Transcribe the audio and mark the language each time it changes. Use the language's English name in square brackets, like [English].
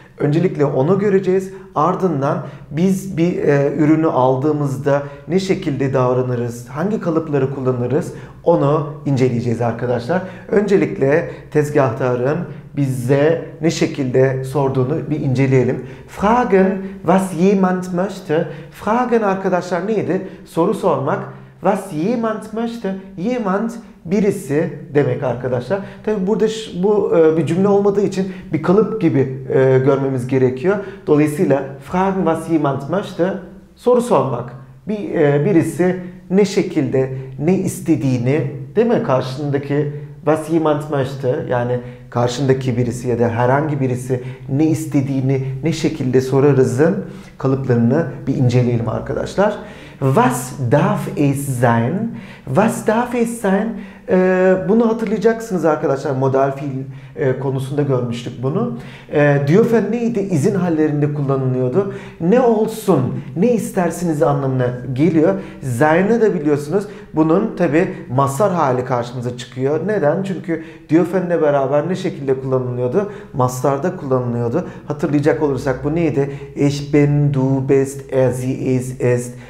[Turkish] Öncelikle onu göreceğiz. Ardından biz bir ürünü aldığımızda ne şekilde davranırız, hangi kalıpları kullanırız onu inceleyeceğiz arkadaşlar. Öncelikle tezgahtarın bize ne şekilde sorduğunu bir inceleyelim. [German] Fragen, was jemand möchte. [Turkish] Fragen arkadaşlar neydi? Soru sormak. [German] Was jemand möchte. [Turkish] Jemand birisi demek arkadaşlar. Tabii burada bu bir cümle olmadığı için bir kalıp gibi görmemiz gerekiyor. Dolayısıyla [German] fragen was jemand möchte, [Turkish] soru sormak. Birisi ne şekilde, ne istediğini, değil mi? Karşındaki [German] was jemand möchte, [Turkish] yani karşındaki birisi ya da herhangi birisi ne istediğini ne şekilde sorarızın kalıplarını bir inceleyelim arkadaşlar. [German] Was darf es sein? Was darf es sein? [Turkish] Bunu hatırlayacaksınız arkadaşlar. Modal fiil konusunda görmüştük bunu. Dürfen neydi? İzin hallerinde kullanılıyordu. Ne olsun, ne istersiniz anlamına geliyor. Sein'i de biliyorsunuz. Bunun tabii mazhar hali karşımıza çıkıyor. Neden? Çünkü dürfen'le beraber ne şekilde kullanılıyordu? Mazhar'da kullanılıyordu. Hatırlayacak olursak bu neydi? [German] Ich bin, du bist, er, sie, es, ist.